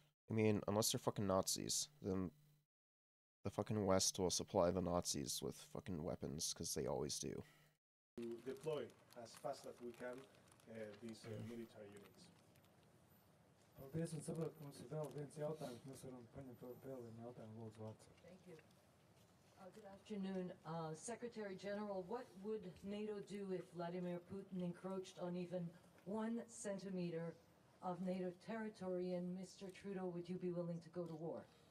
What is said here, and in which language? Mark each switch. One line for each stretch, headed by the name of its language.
English: I mean, unless they're fucking Nazis, then the fucking West will supply the Nazis with fucking weapons, because they always do. To deploy as fast as we can these military units.
Latvian: Paldies, un saprotu, ka mums ir vēl viens jautājums, mēs varam paņemt vēl vienu jautājumu, lūdzu, vārds.
English: Thank you. Good afternoon, Secretary General, what would NATO do if Vladimir Putin encroached on even 1 centimeter of NATO territory, and Mr. Trudeau, would you be willing to go to war?